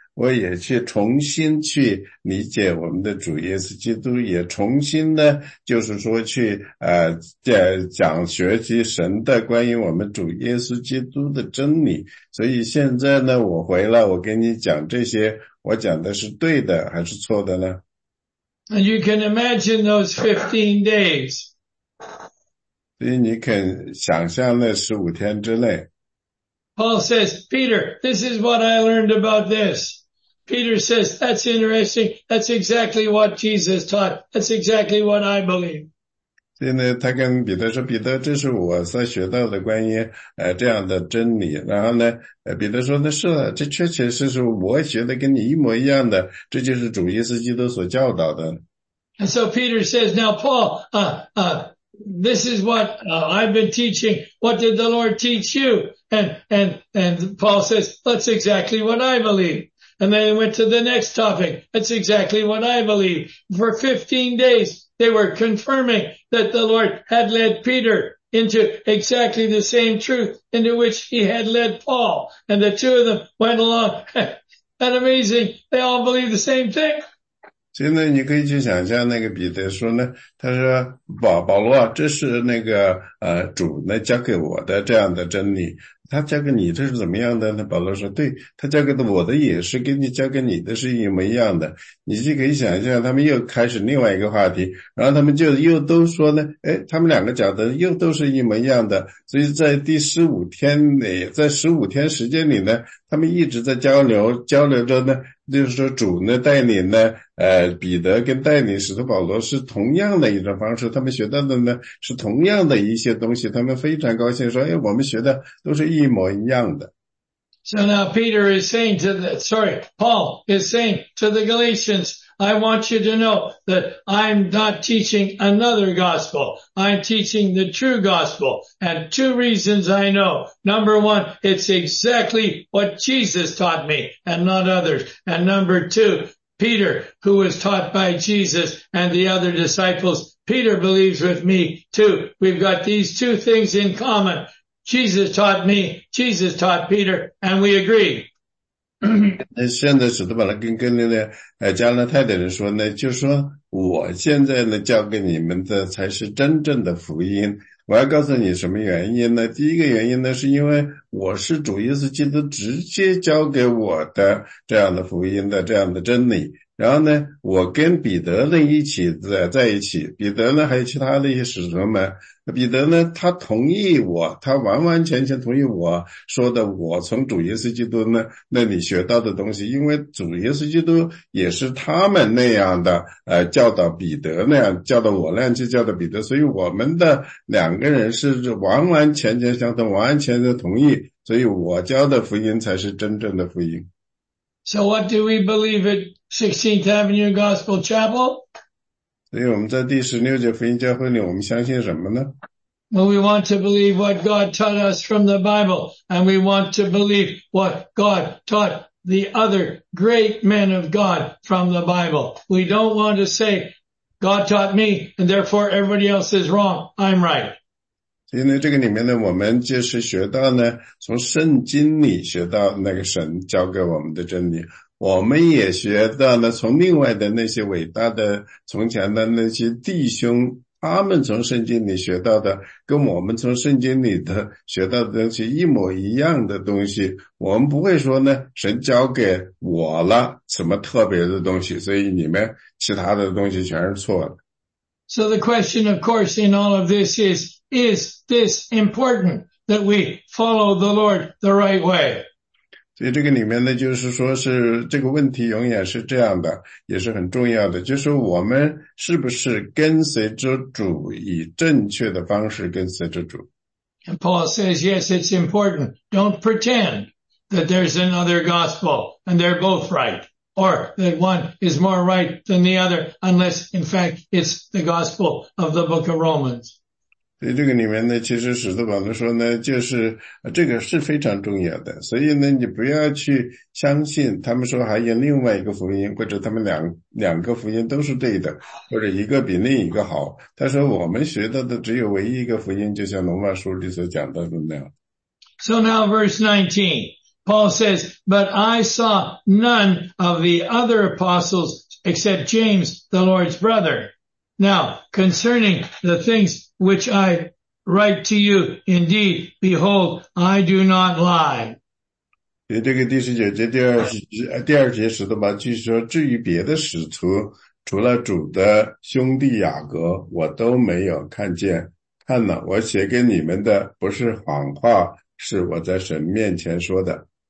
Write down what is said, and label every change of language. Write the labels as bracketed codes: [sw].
[zh] 我也去重新去理解我们的主耶稣基督，也重新呢，就是说去讲学习神的关于我们主耶稣基督的真理。所以现在呢，我回来，我跟你讲这些，我讲的是对的还是错的呢？ [en] And you can imagine those 15 days. [zh] 所以你肯想象那15天之内。 [en] Paul says, Peter, this is what I learned about this. Peter says, that's interesting. That's exactly what Jesus taught. That's exactly what I believe. [zh] 所以呢，他跟彼得说，彼得，这是我所学到的关于这样的真理。然后呢，彼得说，那是了，这确确实实我学的跟你一模一样的，这就是主耶稣基督所教导的。 [en] And so Peter says, now Paul, this is what I've been teaching. What did the Lord teach you? And Paul says, that's exactly what I believe. And then he went to the next topic. That's exactly what I believe. For 15 days, they were confirming that the Lord had led Peter into exactly the same truth into which he had led Paul. And the two of them went along. And amazing, they all believe the same thing. [zh] 所以呢，你可以去想象那个彼得说呢，他说保罗，这是那个主呢教给我的这样的真理。他交给你的是怎么样的？那保罗说，对，他交给的我的也是跟你交给你的是一模一样的。你就可以想象，他们又开始另外一个话题，然后他们就又都说呢，哎，他们两个讲的又都是一模一样的。所以在第十五天里，在十五天时间里呢，他们一直在交流着呢，就是说主呢带领呢，彼得跟带领使徒保罗是同样的一种方式，他们学到的呢是同样的一些东西，他们非常高兴说，哎，我们学的都是一模一样的。 [en] So now Peter is saying to the, sorry, Paul is saying to the Galatians, I want you to know that I'm not teaching another gospel. I'm teaching the true gospel. And two reasons I know. Number one, it's exactly what Jesus taught me and not others. And number two, Peter, who was taught by Jesus and the other disciples, Peter believes with me too. We've got these two things in common. Jesus taught me, Jesus taught Peter, and we agree. [zh] 现在使徒保罗跟那个加拉太的人说呢，就说我现在呢教给你们的才是真正的福音。我要告诉你什么原因呢？第一个原因呢，是因为我是主耶稣基督直接教给我的这样的福音的这样的真理。然后呢，我跟彼得呢一起在一起，彼得呢还有其他的一些使徒们，彼得呢他同意我，他完完全全同意我说的，我从主耶稣基督呢那里学到的东西，因为主耶稣基督也是他们那样的教导彼得那样教导我那样去教导彼得，所以我们的两个人是完完全全相同，完完全全同意，所以我教的福音才是真正的福音。 [en] So what do we believe at 16th Avenue Gospel Chapel? [zh] 所以我们在第十六届福音教会里我们相信什么呢? [en] Well, we want to believe what God taught us from the Bible, and we want to believe what God taught the other great men of God from the Bible. We don't want to say, God taught me, and therefore everybody else is wrong. I'm right. [zh] 因为这个里面呢，我们就是学到呢，从圣经里学到那个神教给我们的真理。我们也学到呢，从另外的那些伟大的从前的那些弟兄，他们从圣经里学到的，跟我们从圣经里的学到的东西一模一样的东西。我们不会说呢，神教给我了什么特别的东西，所以你们其他的东西全是错的。 [en] So the question, of course, in all of this is. Is this important that we follow the Lord the right way? [zh] 所以这个里面呢，就是说是这个问题永远是这样的，也是很重要的，就是我们是不是跟随着主，以正确的方式跟随着主。 [en] And Paul says, yes, it's important. Don't pretend that there's another gospel and they're both right, or that one is more right than the other, unless, in fact, it's the gospel of the book of Romans. [zh] 所以这个里面呢，其实使徒保罗说呢，就是这个是非常重要的。所以呢，你不要去相信他们说还有另外一个福音，或者他们两个福音都是对的，或者一个比另一个好。他说我们学到的只有唯一一个福音，就像罗马书里所讲到的那样。 [en] So now verse 19, Paul says, "But I saw none of the other apostles except James, the Lord's brother." Now concerning the things. Which I write to you, indeed, behold, I do not lie. [zh] 所以这个第十九节、第二节使徒保罗继续说，至于别的使徒，除了主的兄弟雅各，我都没有看见。看了，我写给你们的不是谎话，是我在神面前说的。